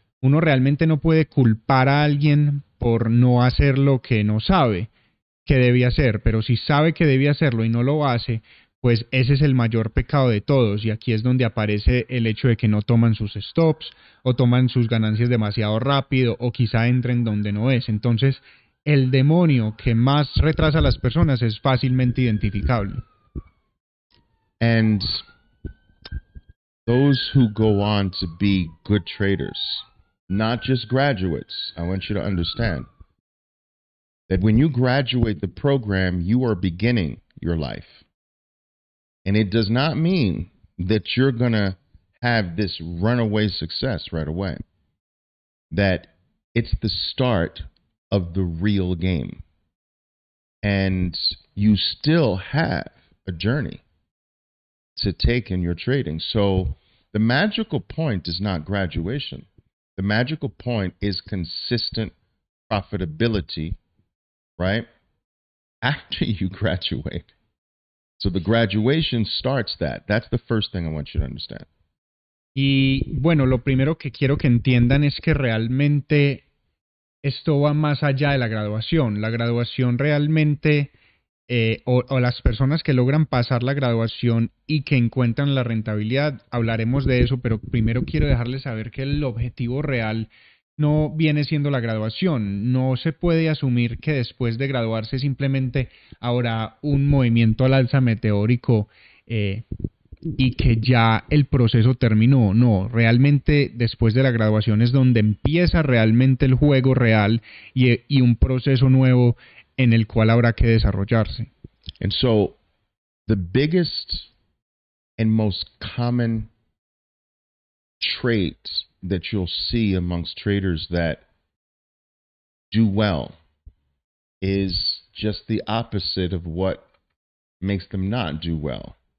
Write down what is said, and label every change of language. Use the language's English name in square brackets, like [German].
[Spanish] Uno realmente no puede culpar a alguien por no hacer lo que no sabe que debe hacer, pero si sabe que debe hacerlo y no lo hace, pues ese es el mayor pecado de todos, y aquí es donde aparece el hecho de que no toman sus stops, o toman sus ganancias demasiado rápido, o quizá entren donde no es. Entonces, el demonio que más retrasa a las personas es fácilmente identificable. [English] And those who go on to be good traders, not just graduates, I want you to understand, that when you graduate the program, you are beginning your life. And it does not mean that you're going to have this runaway success right away. That it's the start of the real game. And you still have a journey to take in your trading. So the magical point is not graduation. The magical point is consistent profitability. Right? After you graduate. So the graduation starts that. That's the first thing I want you to understand. [Spanish] Y bueno, lo primero que quiero que entiendan es que realmente esto va más allá de la graduación. La graduación realmente, o las personas que logran pasar la graduación y que encuentran la rentabilidad, hablaremos de eso, pero primero quiero dejarles saber que el objetivo real no viene siendo la graduación. No se puede asumir que después de graduarse simplemente habrá un movimiento al alza meteórico y que ya el proceso terminó. No, realmente después de la graduación es donde empieza realmente el juego real y un proceso nuevo en el cual habrá que desarrollarse. [English] And so, the biggest and most common traits that you'll see amongst traders that do well is just the opposite of what makes them not do well.